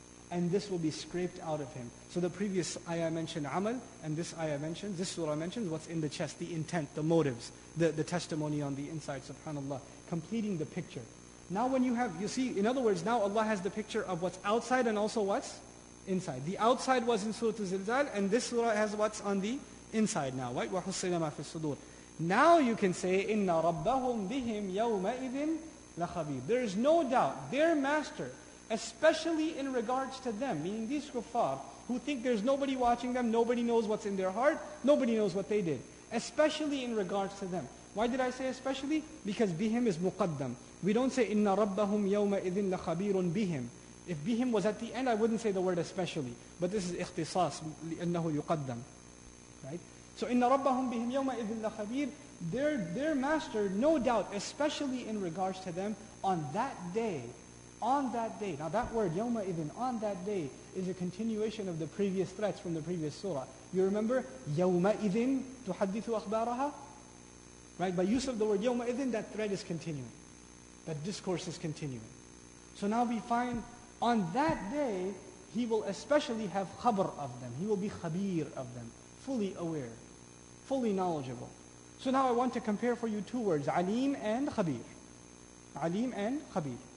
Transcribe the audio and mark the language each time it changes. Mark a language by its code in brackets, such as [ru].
[en] And this will be scraped out of him. So the previous ayah mentioned amal, and this ayah mentions, this surah mentions what's in the chest, the intent, the motives, the testimony on the inside, subhanAllah, completing the picture. Now when you have, you see, in other words, now Allah has the picture of what's outside and also what's inside. The outside was in Surah Al-Zilzal, and this surah has what's on the inside now, right? [ar] وَحُصِّلَ مَا فِي الصُّدُورِ. [en] Now you can say, [ar] إِنَّ رَبَّهُمْ بِهِمْ يَوْمَئِذٍ لَخَبِيرٌ. [en] There is no doubt, their master, especially in regards to them, meaning these kuffar, who think there's nobody watching them, nobody knows what's in their heart, nobody knows what they did. Especially in regards to them. Why did I say especially? Because bihim is muqaddam. [ar] We don't say, إِنَّ رَبَّهُمْ يَوْمَئِذٍ لَخَبِيرٌ بِهِمْ. [en] If bihim was at the end, I wouldn't say the word especially. But this is ikhtisas, [ar] لِأَنَّهُ يُقَدَّمْ. [en] Right? So, [ar] إِنَّ رَبَّهُمْ بِهِمْ يَوْمَئِذٍ لَخَبِيرٌ. [en] Their master, no doubt, especially in regards to them, on that day, now that word, يَوْمَئِذٍ, on that day, is a continuation of the previous threats from the previous surah. You remember, [ar] يَوْمَئِذٍ تُحَدِّثُ أَخْبَارَهَا? [en] Right? By use of the word يَوْمَئِذٍ, that thread is continuing. That discourse is continuing. So now we find, on that day, he will especially have khabr of them. He will be khabir of them. Fully aware. Fully knowledgeable. So now I want to compare for you two words, alim and khabir. Alim and khabir.